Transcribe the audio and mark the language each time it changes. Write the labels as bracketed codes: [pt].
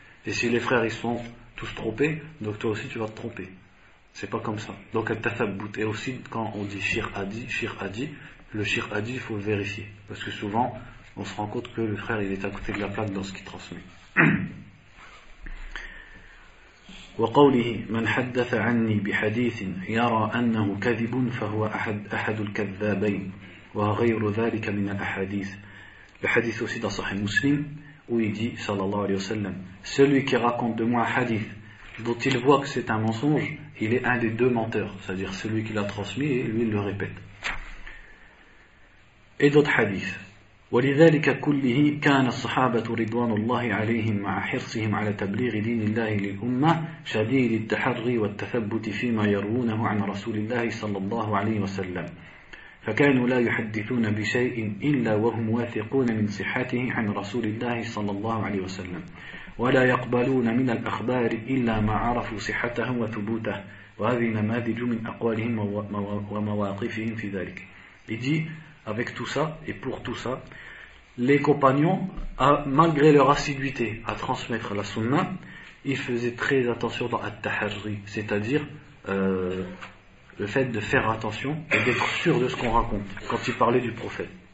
[fr] Et si les frères, ils sont tous trompés, donc toi aussi, tu vas te tromper. C'est pas comme ça. Donc, elle t'a fait bouter aussi, quand on dit shir a dit, le shir a dit, il faut vérifier. Parce que souvent, on se rend compte que le frère, il est à côté de la plaque dans ce qu'il transmet. [ar] وقوله من حدث عني بحديث يرى أنه كذب فهو أحد الكذابين وغير ذلك من الأحاديث. [fr] الحديث aussi dans Sahih Muslim où il dit [ar] صلى الله عليه وسلم, [fr] celui qui raconte de moi un hadith dont il voit que c'est un mensonge, il est un des deux menteurs, c'est-à-dire celui qui l'a transmis et lui il le répète. Et d'autres hadiths. [ar] ولذلك كله كان الصحابة رضوان الله عليهم مع حرصهم على تبليغ دين الله للأمة شديد التحري والتثبت فيما يروونه عن رسول الله صلى الله عليه وسلم فكانوا لا يحدثون بشيء إلا وهم واثقون من صحته عن رسول الله صلى الله عليه وسلم ولا يقبلون من الأخبار إلا ما عرفوا صحته وثبوته وهذه نماذج من أقوالهم ومواقفهم في ذلك. [fr] Avec tout ça, et pour tout ça, les compagnons, malgré leur assiduité à transmettre la sunna, ils faisaient très attention dans At-Tahari, c'est-à-dire le fait de faire attention et d'être sûr de ce qu'on raconte quand ils parlaient du prophète.